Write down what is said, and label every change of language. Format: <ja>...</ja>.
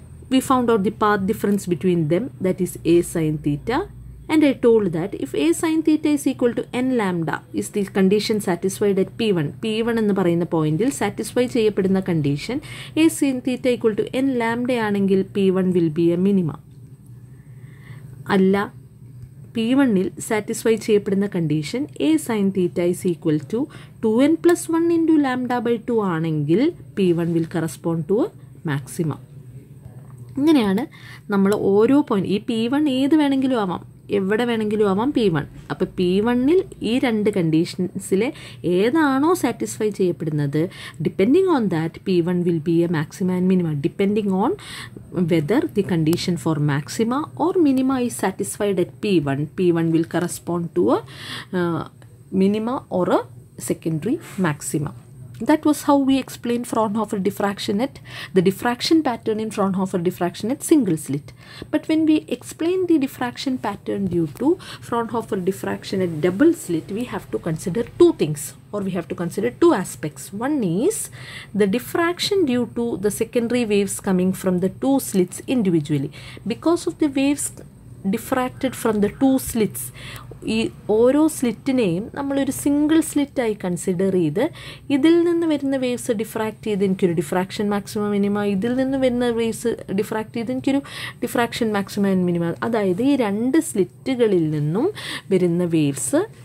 <en>We found out the path difference between them, that is A sin theta, and I told that if A sin theta is equal to n lambda, is the condition satisfied at P1</en> <ml>ennu parayna pointil</ml> <en>satisfy</en> <ml>cheyapadina</ml> <en>condition, A sin theta equal to n lambda</en> <ml>anengil</ml> <en>P1 will be a minima.</en> <ml>അല്ല, P1-ൽ satisfy ചെയ്യപ്പെടുന്ന condition</ml> <en>a sine theta is equal to 2n+1 into lambda by 2</en> <ml>ആണെങ്കിൽ</ml> <en>P1 will correspond to a maxima.</en> <ml>ഇങ്ങനെയാണ് നമ്മൾ ഓരോ point, ഈ P1 ഏത് വേണമെങ്കിലും ആവാം, എവിടെ വേണമെങ്കിലും ആവാം P1. അപ്പോൾ P1-ൽ ഈ രണ്ട് കണ്ടീഷൻസിലെ ഏതാണോ സാറ്റിസ്ഫൈ ചെയ്യപ്പെടുന്നത്,</ml> <en>Depending on that P1 will be a maxima and minima. Depending on whether the condition for maxima or minima is satisfied at P1 will correspond to a minima or a secondary maxima. That was how we explained Fraunhofer diffraction at the diffraction pattern in Fraunhofer diffraction at single slit. But when we explain the diffraction pattern due to Fraunhofer diffraction at double slit, we have to consider two things, or we have to consider two aspects. One is the diffraction due to the secondary waves coming from the two slits individually. Because of the waves diffracted from the two slits,</en> <ml>ഈ ഓരോ സ്ലിറ്റിനെയും നമ്മളൊരു single സ്ലിറ്റായി consider ചെയ്ത് ഇതിൽ നിന്ന് വരുന്ന waves ഡിഫ്രാക്ട് ചെയ്ത് എനിക്കൊരു diffraction maximum minimum, ഇതിൽ നിന്ന് വരുന്ന വേവ്സ് ഡിഫ്രാക്ട് ചെയ്ത് എനിക്കൊരു ഡിഫ്രാക്ഷൻ മാക്സിമം മിനിമം, അതായത് ഈ രണ്ട് സ്ലിറ്റുകളിൽ നിന്നും വരുന്ന വേവ്സ്</ml>